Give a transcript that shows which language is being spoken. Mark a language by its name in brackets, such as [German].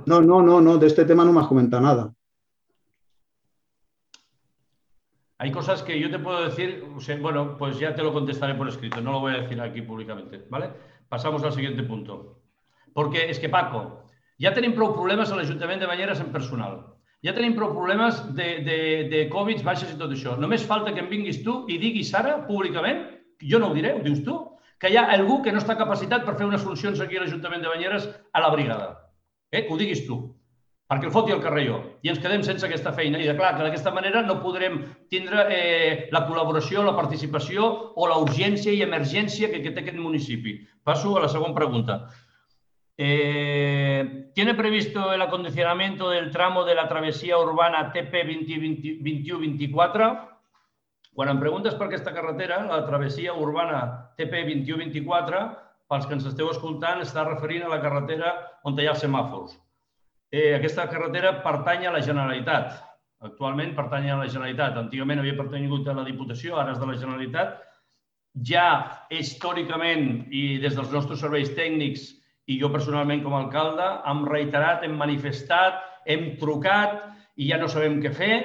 [Spanish] No, de este tema no me has comentado nada. Hay cosas que yo te puedo decir, o sea, bueno, pues ya te lo contestaré por escrito, no lo voy a decir aquí públicamente, ¿vale? Pasamos al siguiente punto. Porque es que, Paco, ya tenemos prou problemas al Ayuntamiento de Bañeres en personal. [Catalan] Ja tenim prou problemes de Covid, baixes i tot això. Només falta que em vinguis tu i diguis ara, públicament, jo no ho diré, ho dius tu, que hi ha algú que no està capacitat per fer unes funcions aquí a l'Ajuntament de Banyeres a la brigada. Que ho diguis tu, perquè el foti al carrer jo. I ens quedem sense aquesta feina. I clar, que d'aquesta manera no podrem tindre la col·laboració, la participació o l'urgència i emergència que té aquest municipi. Passo a la segona pregunta. [Spanish] ¿Tiene previsto el acondicionamiento del tramo de la travesía urbana TP-21-24? [Catalan] Quan em preguntes per aquesta carretera, la travesia urbana TP-21-24, pels que ens esteu escoltant, està referint a la carretera on hi ha els semàfors. Aquesta carretera pertany a la Generalitat. Actualment pertany a la Generalitat. Antigament havia pertanyut a la Diputació, ara és de la Generalitat. Ja històricament i des dels nostres serveis tècnics i jo personalment com a alcalde hem reiterat, hem manifestat, hem trucat i ja no sabem què fer.